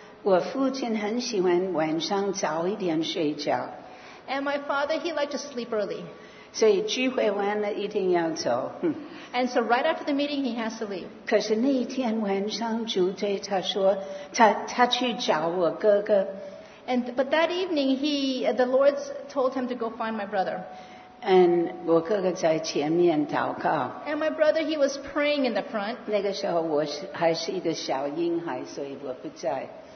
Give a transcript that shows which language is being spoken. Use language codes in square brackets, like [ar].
[zh] 我父亲很喜欢晚上早一点睡觉. [en] And my father, he liked to sleep early. [zh] 所以聚会完了一定要走. [en] And so right after the meeting, he has to leave. [zh] 可是那一天晚上主对他说，他去找我哥哥. [en] But that evening, the Lord told him to go find my brother. [zh] And 我哥哥在前面祷告. [en] And my brother, he was praying in the front. [zh] 那个时候我还是一个小婴孩, 所以我不在.